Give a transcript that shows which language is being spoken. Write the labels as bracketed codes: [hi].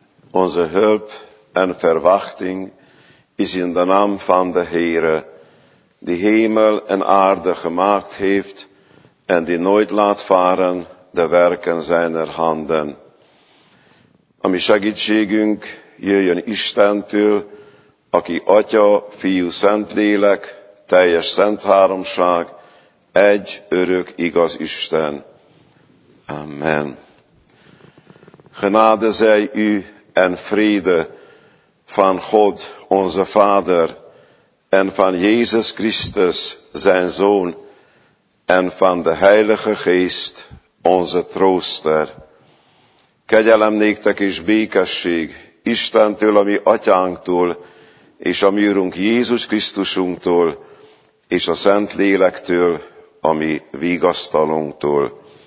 [nl] onze hulp en verwachting is in de naam van de Heere, die hemel en aarde gemaakt heeft en die nooit laat varen de werken zijner handen. [hu] A mi segítségünk jöjjön Istentől, aki Atya, Fiú, Szentlélek, teljes szent háromság, egy örök igaz Isten. Amen. [nl] Gnade zij u en vrede van God, onze Vader, en van Jezus Christus, zijn Zoon, en van de Heilige Geest, onze Trooster. [hu] Kegyelem néktek és békesség Istentől, a mi atyánktól, és a mi úrunk Jézus Krisztusunktól, és a Szent Lélektől, a mi vigasztalunktól.